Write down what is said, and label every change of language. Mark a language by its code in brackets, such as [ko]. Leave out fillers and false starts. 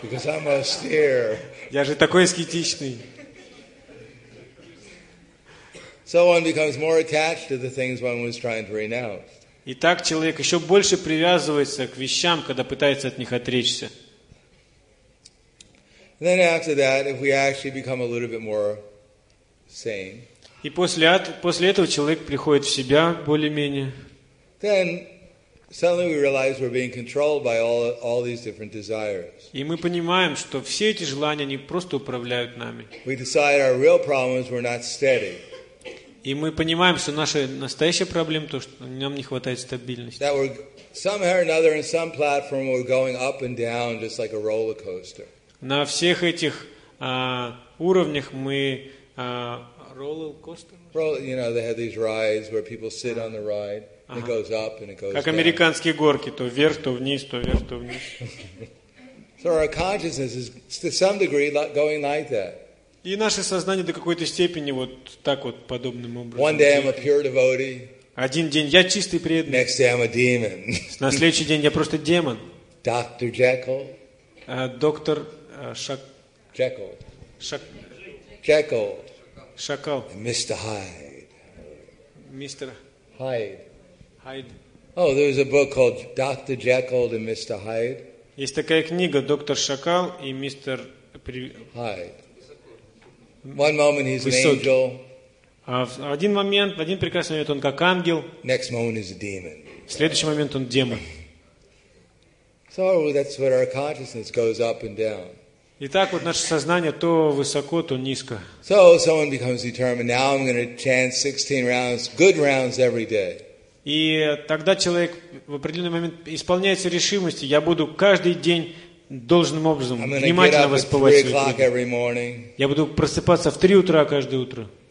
[en] Because I'm austere. [ru] Я же такой аскетичный. [en] So one becomes more attached to the things one was trying to renounce. [ru] И так человек еще больше привязывается к вещам, когда пытается от них отречься. [en] And then after that, if we actually become a little bit more sane. [ru] И после этого человек приходит в себя более-менее. [en] Then suddenly we realize we're being controlled by all these different desires. [ru] И мы понимаем, что все эти желания они просто управляют нами. [en] We decide our real problems were not steady. [ru] И мы понимаем, что наша настоящая проблема то, что нам не хватает стабильности. [en] That we're somehow or another in some platform we're going up and down just like a roller coaster. [ru] На всех этих уровнях мы [en] roller coaster. You know, they have these rides where people sit on the ride. And it goes up and it goes down. [ru] Как американские горки, то вверх, то вниз, то вверх, то вниз. [en] So our consciousness is to some degree going like that. [ru] И наше сознание до какой-то степени вот так вот подобным образом. [en] One day I'm a pure devotee. [ru] Один день я чистый преданный. [en] Next day I'm a demon. [ru] На следующий день я просто демон. [en] Dr. Jekyll. [ru] Доктор [en] Jekyll. [ru] Jekyll. Шакал. [en] Mr. Hyde. [ru] Мистер [en] Hyde. Hyde. Oh, there's a book called Dr. Jekyll and Mr. Hyde. [ru] Есть такая книга Доктор Шакал и мистер [en] Hyde. One moment he's an angel. [ru] Один момент, один прекрасный момент он как ангел. [en] Next moment he's a demon. [ru] Следующий момент он демон. [en] So that's what our consciousness goes up and down. [ru] Итак, вот наше сознание то высоко, то низко. [en] So someone becomes determined. Now I'm going to chant 16 rounds, good rounds every day. [ru] И тогда человек в определенный момент исполняется решимости. Я буду каждый день должным образом, внимательно воспевать свою книгу. Я буду просыпаться в 3 утра каждое утро.